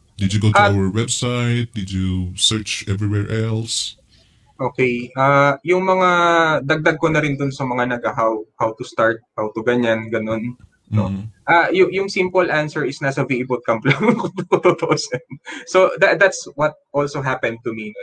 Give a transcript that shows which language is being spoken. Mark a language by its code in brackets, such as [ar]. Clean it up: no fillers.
[en] Did you go to our website? Did you search everywhere else? Okay. [tl] Yung mga dagdag ko na rin dun sa mga [en] how to start, how to [tl] ganun. No? Mm-hmm. Yung [en] simple answer is [tl] nasa VE Bootcamp lang. [en] So that's what also happened to me.